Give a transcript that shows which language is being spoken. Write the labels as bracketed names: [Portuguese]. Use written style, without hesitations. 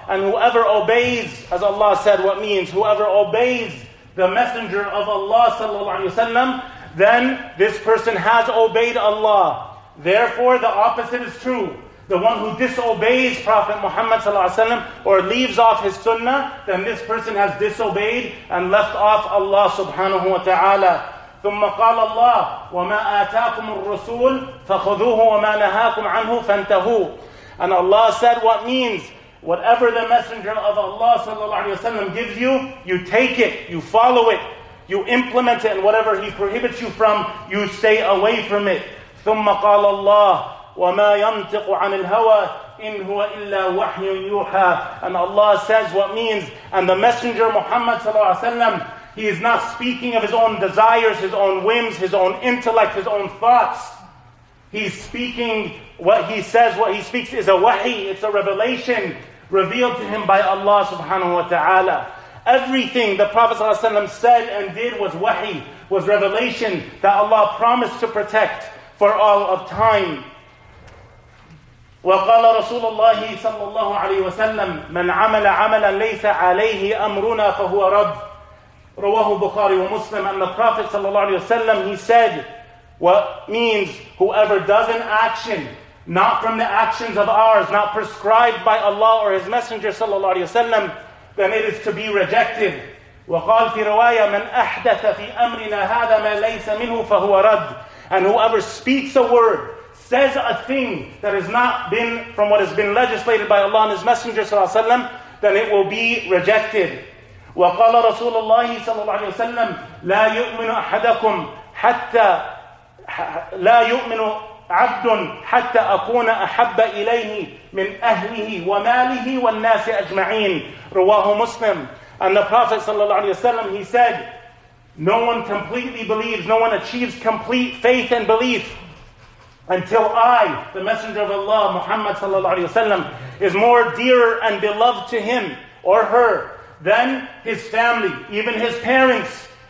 [English] And whoever obeys, as Allah said, what means, whoever obeys the Messenger of Allah sallallahu alayhi wa sallam, then this person has obeyed Allah. Therefore, the opposite is true. The one who disobeys Prophet Muhammad sallallahu alaihi wasallam or leaves off his sunnah, then this person has disobeyed and left off Allah subhanahu wa ta'ala. [Arabic] ثم قال الله وما آتاكم الرسول فخذوه وما نهاكم عنه فانتهوا. [English] And Allah said, what means? Whatever the Messenger of Allah sallallahu alaihi wasallam gives you, you take it, you follow it, you implement it, and whatever he prohibits you from, you stay away from it. [Arabic] ثم قال الله وما ينطق عن الهوى إن هو إلا وحي يوحى. [English] And Allah says, what means? And the Messenger Muhammad sallallahu alaihi wasallam, he is not speaking of his own desires, his own whims, his own intellect, his own thoughts. He's speaking what he says, what he speaks is a wahi, it's a revelation revealed to him by Allah subhanahu wa ta'ala. Everything the Prophet ﷺ said and did was wahi, was revelation that Allah promised to protect for all of time. [Arabic] وَقَالَ رَسُولُ اللَّهِ صَلَّى اللَّهُ عَلَيْهِ وَسَلَّمْ مَنْ عَمَلَ عَمَلًا لَيْسَ عَلَيْهِ أَمْرُنَا فَهُوَ رَبْ. رَوَاهُ بُخَارِي وَمُسْلِمْ. [English] And the Prophet ﷺ, he said, what means, whoever does an action not from the actions of ours, not prescribed by Allah or His Messenger sallallahu alaihi wasallam, then it is to be rejected. [Arabic] وقال في رواية من أحدث في أمرنا هذا ما ليس منه فهو رد. [English] And whoever speaks a word, says a thing that has not been from what has been legislated by Allah and His Messenger sallallahu alaihi wasallam, then it will be rejected. [Arabic] وقال رسول الله صلى الله عليه وسلم لا يؤمن أحدكم حتى لا يؤمن عبد حتى أكون أحب إليه من أهله وماله والناس أجمعين. رواه مسلم. [English] And the Prophet sallallahu alaihi wasallam, he said, no one completely believes, no one achieves complete faith and belief until I, the Messenger of Allah, Muhammad sallallahu alaihi wasallam, is more dear and beloved to him or her than his family, even his parents.